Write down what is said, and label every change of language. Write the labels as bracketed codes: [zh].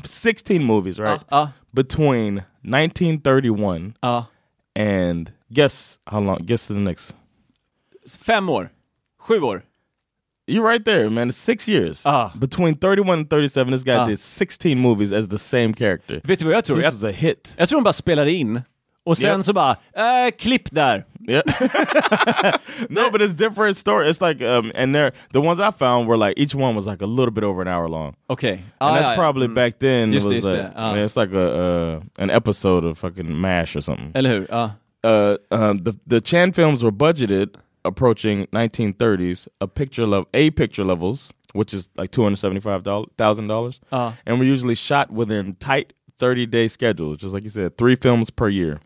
[en] 16 movies, right? Between 1931 and guess how long? Guess the next. [sv] 5 år. 7 år. [en] You're right there, man. 6 years. Between 31 and 37, this guy did 16 movies as the same character. [sv] Vet du vad jag tror? [en] This was a hit. [sv] Jag tror han bara spelade in. Och sen så bara, klipp där. [en] Yeah. No, but it's different story. It's like, the ones I found were like, each one was like a little bit over an hour long. Okay. And that's probably back then. Just it was just like, it's like an episode of fucking MASH or something. [sv] Eller hur? [en] The Chan films were budgeted approaching 1930s, picture levels, which is like $275,000, and we're usually shot within tight 30-day schedules, just like you said, 3 films per year.